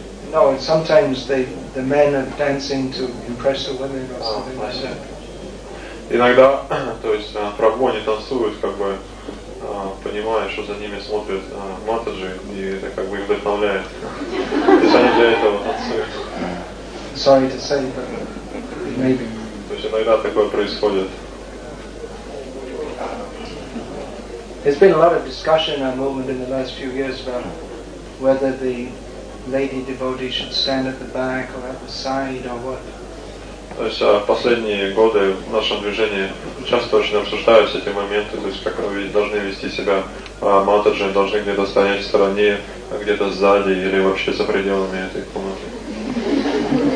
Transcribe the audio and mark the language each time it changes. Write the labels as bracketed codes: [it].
[en] No, and sometimes the men are dancing to impress the women or something like that. [ru] Иногда, то есть, прабху они танцуют, как бы, понимая, что за ними смотрят матаджи, и это как бы их вдохновляет. То есть они для этого танцуют. [en] Sorry to say, but maybe. [ru] То есть иногда такое происходит. [en] There's been a lot of discussion and movement in the last few years about whether the lady devotee should stand at the back or at the side or what. [ru] То есть в последние годы в нашем движении часто очень обсуждаются эти моменты, то есть как мы должны вести себя, матаджи должны где-то стоять в стороне, а где-то сзади или вообще за пределами этой комнаты.